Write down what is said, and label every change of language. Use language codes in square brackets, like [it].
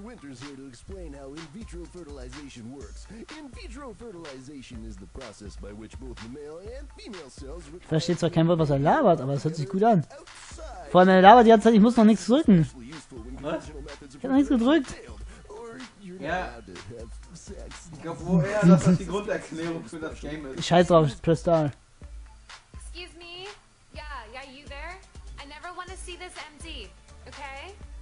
[en] Winter's here to explain how in vitro fertilization works. In vitro fertilization is the process by which both the male and female cells... [de] Ich verstehe zwar kein Wort, was er labert, aber es hört sich gut an. Vor allem, er labert die ganze Zeit, ich muss noch nichts drücken. Was? Ich hab noch nichts gedrückt. Ja. Ich glaub, woher das ist die Grunderklärung für das Game ist. Scheiß drauf, [en] press Star. Excuse me? Yeah, yeah, you there? I never want to see this MD, okay?